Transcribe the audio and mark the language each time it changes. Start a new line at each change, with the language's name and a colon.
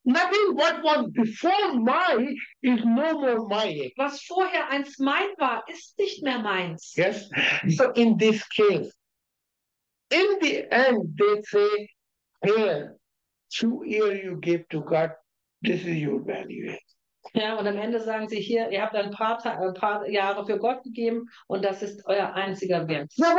English: Nothing what was before my is no more my.
German: Was vorher einst mein war, ist nicht mehr meins.
English: Yes. So in this case, in the end, they say, here. Two ears you give to God, this is your value.
German: Ja, und am Ende sagen sie hier, ihr habt ein paar Jahre für Gott gegeben und das ist euer einziger Wert.